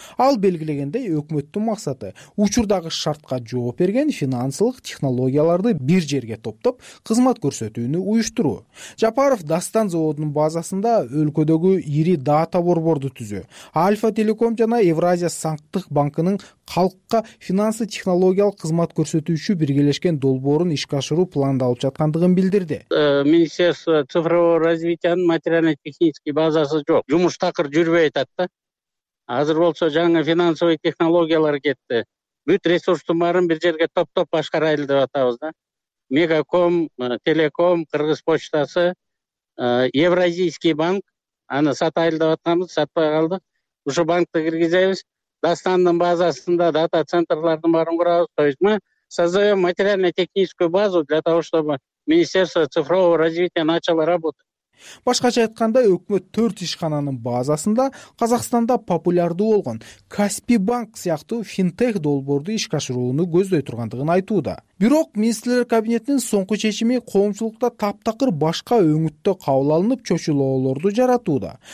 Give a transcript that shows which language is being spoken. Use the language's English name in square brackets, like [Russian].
[Kyrgyz] Ал белгилегендей, өкмөттүн максаты учурдагы шартка жооп берген финансылык технологияларды бир жерге топтоп, кызмат көрсөтүүнү уюштуруу. Жапаров Дастан заводунун базасында өлкөдөгү ири дата борборду түзүү, Альфа Телеком жана Евразия сактык банкынын калкка финансы технологиялык кызмат көрсөтүүчү биргелешкен долбоорун ишке ашыруу пландалып жаткандыгын билдирди. [Russian] Министерство цифрового [Kyrgyz] развитиянын [Russian] материально-технический [Kyrgyz] базасы жок. Жумуш такыр жүрбөй атат да. Азыр болсо жаңы финансовый технологиялар кетти. Бүт ресурстун баарын бир жерге топтоп башкарайлы деп атабыз да. Мегаком, Телеком, Кыргыз почтасы, Евразийский банк, аны сатайлы деп атабыз, сатпай калдык. Ушу банкты киргизебиз. Дастандын базасында дата центрлардын баарын курабыз. [Russian] То есть мы создаем материально-техническую базу для того, чтобы Министерство цифрового развития начало работать. [Kyrgyz] Башкача айтканда, өкмөт 4 ишкананын базасында Казакстанда популярдуу болгон Каспи банк сыяктуу финтех долбоорду ишке ашырууну көздөй тургандыгын айтууда. Бирок министрлер кабинетинин соңку чечими коомчулукта таптакыр башка өңүттө кабыл алынып чочулоолорду жаратууда.